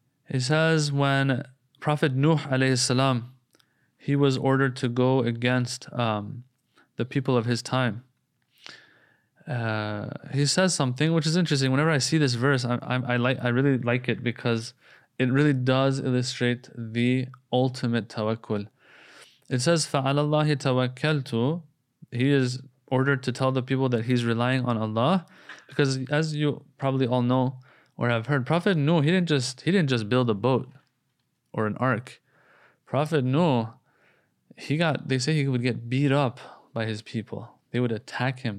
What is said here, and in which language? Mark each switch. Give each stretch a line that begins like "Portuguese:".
English: He says when Prophet Nuh alayhi salam, he was ordered to go against the people of his time. He says something which is interesting. Whenever I see this verse, I really like it because it really does illustrate the ultimate tawakkul. It says,
Arabic: فَعَلَى اللَّهِ تَوَكَّلْتُ.
English: He is ordered to tell the people that he's relying on Allah, because as you probably all know or have heard, Prophet Nuh, he didn't just build a boat or an ark. Prophet Nuh, they say he would get beat up by his people. They would attack him.